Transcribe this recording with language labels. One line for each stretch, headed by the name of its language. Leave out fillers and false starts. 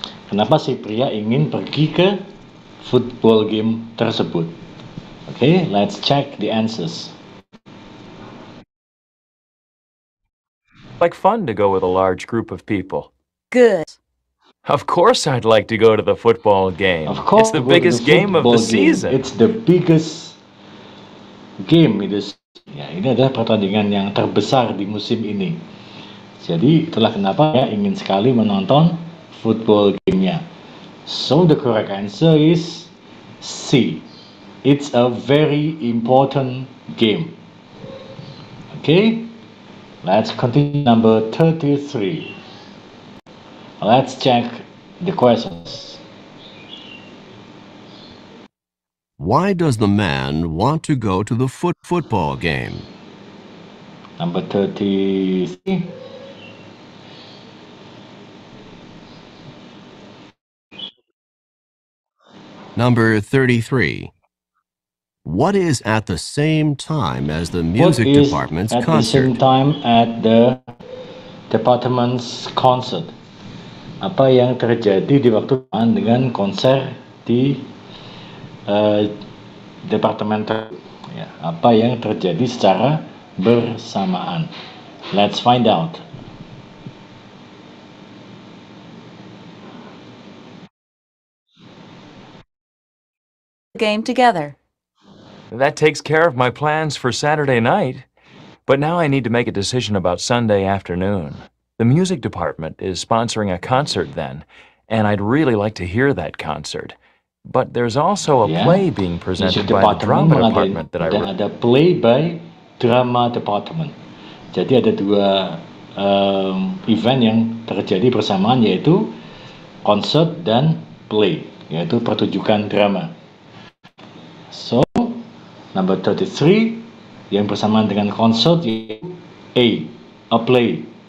Indonesian: Kenapa si pria ingin pergi ke football game tersebut?
English: Okay, let's check the answers. Like fun to go with a large group of people. Good. Of course I'd like to go to the football game. Of course. It's the biggest game of the season. It's the biggest game
Indonesian: itu, ya, ini adalah pertandingan yang terbesar di musim ini. Jadi itulah kenapa ya ingin sekali menonton football game-nya.
English: So the correct answer is C. It's a very important game. Okay, let's continue number 33. Let's check the questions. Why does the man want to go to the football game? Number 33. Number 33. What is at the same time as the music department's concert? What is at the same time at the department's concert?
Indonesian: Apa yang terjadi di waktu depan dengan konser di departemental, ya, apa yang terjadi secara bersamaan.
English: Let's find out. Game together. That takes care of my plans for Saturday night, but now I need to make a decision about Sunday afternoon. The music department is sponsoring a concert then, and I'd really like to hear that concert. But there's also a play being presented by the drama department that I read. Ada play by drama department.
Indonesian: Jadi ada dua event yang terjadi bersamaan, yaitu concert dan play, yaitu pertunjukan drama.
English: So, number 33,
Indonesian: yang bersamaan dengan concert, yaitu A, a play.